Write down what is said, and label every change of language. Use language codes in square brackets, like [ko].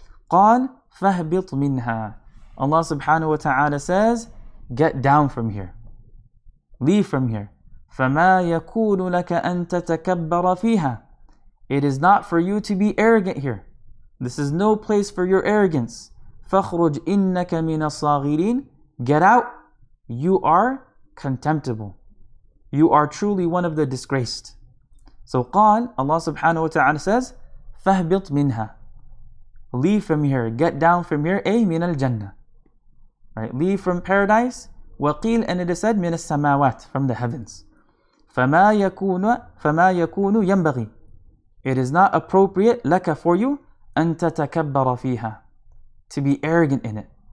[ar] قَالْ فَهْبِطْ مِنْهَا [en] Allah subhanahu wa ta'ala says, get down from here. Leave from here. [ar] فَمَا يَكُونُ لَكَ أَن تَتَكَبَّرَ فِيهَا [en] It is not for you to be arrogant here. This is no place for your arrogance. [ar] فَخْرُجْ إِنَّكَ مِنَ الصَّاغِرِينَ [en] Get out. You are contemptible. You are truly one of the disgraced. So قال, Allah subhanahu wa ta'ala says, [ar] فَهْبِطْ مِنْهَا [en] Leave from here. Get down from here. [ar] أي من الجنة [en] Right, leave from paradise. [ar] وَقِيلْ [en] And it is said, [ar] مِنَ السَّمَاوَاتِ [en] From the heavens. [ar] فَمَا يَكُونُ يَنْبَغِي [en] It is not appropriate, لَكَ for you, [ar] أَن تَتَكَبَّرَ فِيهَا [en] To be arrogant in it.